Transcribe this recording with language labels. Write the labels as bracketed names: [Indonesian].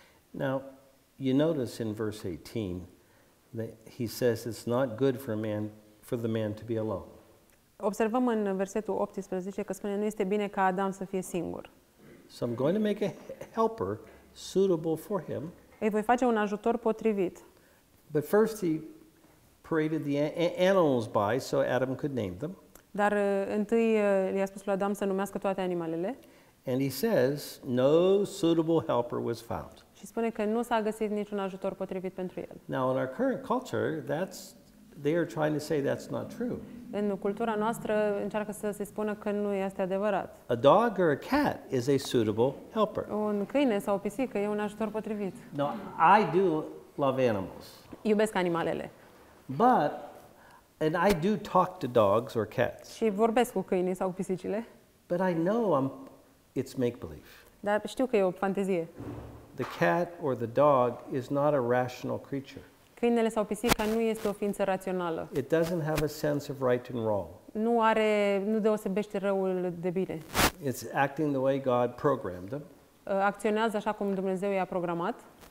[English] Now, you notice in verse 18 that he says it's not good for the man to be alone. [Romanian] Observăm în versetul 18 că spune nu este bine ca Adam să fie singur. [English] So I'm going to make a helper suitable for him. [Romanian] Îi voi face un ajutor potrivit. [English] But first he paraded the animals by so Adam could name them. [Romanian] Dar întâi i-a spus lui Adam să numească toate animalele. [English] And he says no suitable helper was found. [Romanian] Și spune că nu s-a găsit niciun ajutor potrivit pentru el. [English] Now in our current culture that's they are trying to say that's not true. [Romanian] În cultura noastră încearcă să se spună că nu este adevărat. [English] A dog or a cat is a suitable helper. [Romanian] Un câine sau o pisică e un ajutor potrivit. [English] No, I do love animals. [Romanian] Iubesc animalele. [English] But and I do talk to dogs or cats. [Romanian] Și vorbesc cu câinii sau cu pisicile. [English] But I know it's make-believe. [Romanian] Dar știu că e o fantezie. [English] The cat or the dog is not a rational creature. [Romanian] Câinele sau pisica nu este o ființă rațională. [English] It doesn't have a sense of right and wrong. [Romanian] Nu deosebește răul de bine. [English] It's acting the way God programmed them. [Romanian] Acționează așa cum Dumnezeu i-a programat.